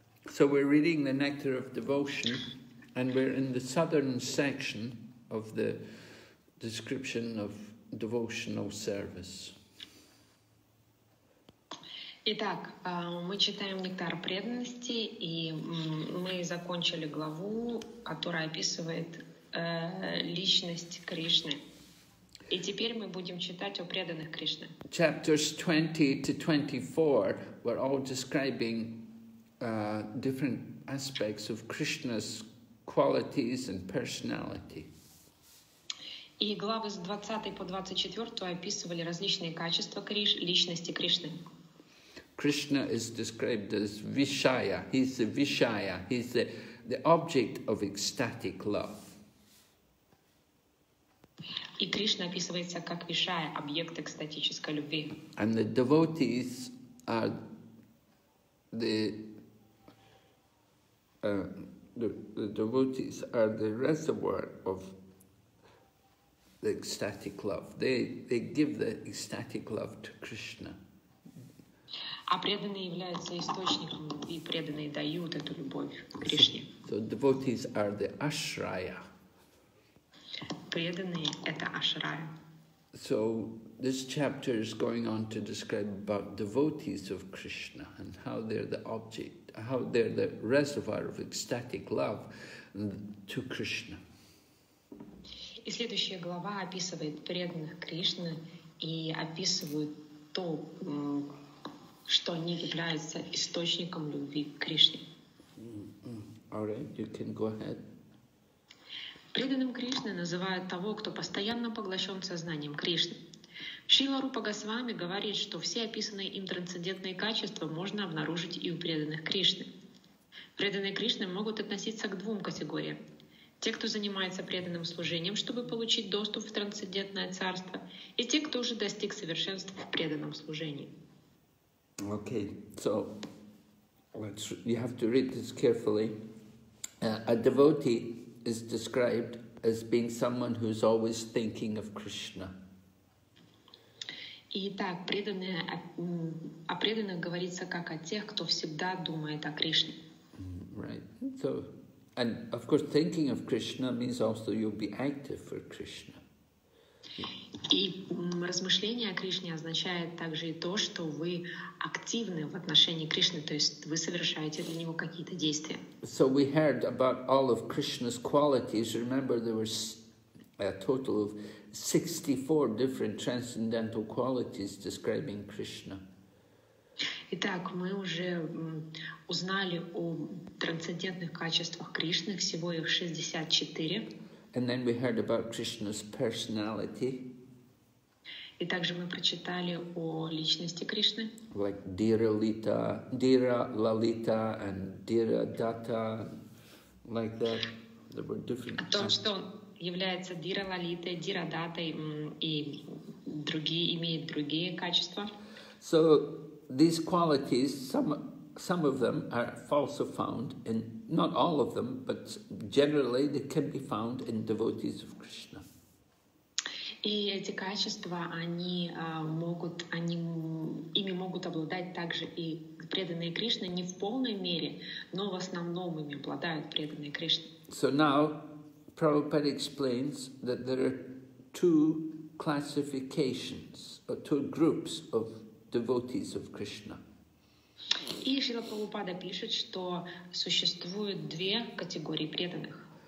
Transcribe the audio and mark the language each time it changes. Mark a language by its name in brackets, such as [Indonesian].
[English] So we're reading the Nectar of Devotion, and we're in the southern section of the description of devotional service. [Russian] Итак, мы читаем «Нектар преданности», и мы закончили главу, которая описывает личность Кришны. И теперь мы будем читать о преданных Кришны. [English] Chapters 20 to 24 were all describing different aspects of Krishna's qualities and personality. [Russian] И главы с 20 по 24 описывали различные качества личности Кришны. [English] Krishna is described as Vishaya. He's the Vishaya. He's the object of ecstatic love. [Russian] И Кришна описывается как Вишая, объект экстатической любви. [English] And the devotees are the devotees are the reservoir of the ecstatic love. They give the ecstatic love to Krishna. [Russian] А преданные являются источником любви, преданные дают эту любовь Кришне. [English] So devotees are the ashraya. [Russian] Преданные — это ашрая. [English] So this chapter is going on to describe about devotees of Krishna and how they're the object, how they're the reservoir of ecstatic love to Krishna. [Russian] И следующая глава описывает преданных Кришны и описывает то, что они являются источником любви к Кришне. [English] All right, you can go ahead. [Russian] Преданным Кришны называют того, кто постоянно поглощен сознанием Кришны. Шрила Рупа Госвами говорит, что все описанные им трансцендентные качества можно обнаружить и у преданных Кришны. Преданные Кришны могут относиться к двум категориям. Те, кто занимается преданным служением, чтобы получить доступ в трансцендентное царство, и те, кто уже достиг совершенства в преданном служении. [English] Okay, so you have to read this carefully. A devotee is described as being someone who's always thinking of Krishna. [Russian] Итак, преданные, о преданных говорится как о тех, кто всегда думает о Кришне. [English] Right. So, and of course, thinking of Krishna means also you'll be active for Krishna. [Russian] И размышление о Кришне означает также и то, что вы активны в отношении Кришны, то есть вы совершаете для него какие-то действия. [English] So we heard about all of Krishna's qualities. Remember, there were a total of 64 different transcendental qualities describing Krishna. [Russian] Итак, мы уже узнали о трансцендентных качествах Кришны, всего их 64. [English] And then we heard about Krishna's personality. [Russian] И также мы прочитали о личности Кришны. [English] Like Dira Lita, Dira Lalita and Dira Datta, like that. There were different. [Russian] О том, что является Dira Lalita, Dira Datta и другие имеют другие качества. [English] So these qualities, some of them are also found in, not all of them, but generally they can be found in devotees of Krishna. [Russian] И эти качества, они могут, они ими могут обладать также и преданные Кришны, не в полной мере, но в основном ими обладают преданные Кришны. [English] So now Prabhupada explains that there are two classifications, or two groups of devotees of Krishna. [Russian] И Шрила Прабхупада пишет, что существует две категории преданных.